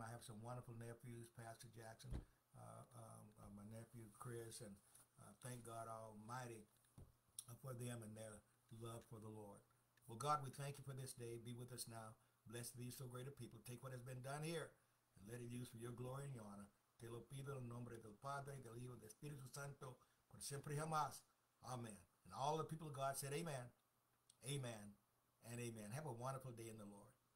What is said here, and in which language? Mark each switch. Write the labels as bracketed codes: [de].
[en] I have some wonderful nephews, Pastor Jackson, my nephew Chris, and thank God Almighty for them and their love for the Lord. Well, God, we thank you for this day. Be with us now. Bless these so great a people. Take what has been done here and let it use for your glory and your honor. [es] Te lo pido en el nombre del Padre, del Hijo, del Espíritu Santo, por siempre y jamás. [en] Amen. And all the people of God said amen, amen, and amen. Have a wonderful day in the Lord.